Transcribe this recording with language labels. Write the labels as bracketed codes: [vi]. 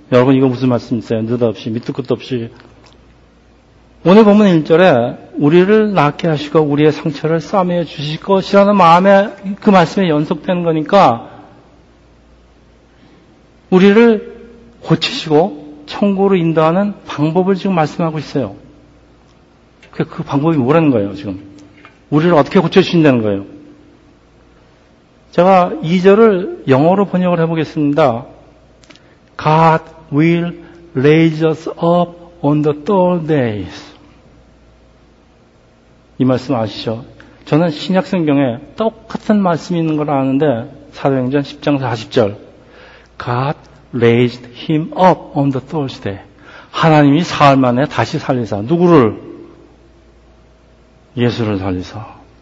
[ko] 여러분 이거 무슨 말씀 있어요? 느닷없이 밑도 끝도 없이. 오늘 본문 1절에 우리를 낫게 하시고 우리의 상처를 싸매어 주실 것이라는 마음에 그 말씀이 연속되는 거니까 우리를 고치시고 천국으로 인도하는 방법을 지금 말씀하고 있어요. 그 방법이 뭐라는 거예요 지금? 우리를 어떻게 고쳐주신다는 거예요? 제가 2절을 영어로 번역을 해보겠습니다. [en] God will raise us up on the third days. [ko] 이 말씀 아시죠? 저는 신약성경에 똑같은 말씀이 있는 걸 아는데 사도행전 10장 40절 [en] God raised him up on the third day. [ko] 하나님이 사흘 만에 다시 살리사 누구를? 예수를 살리사.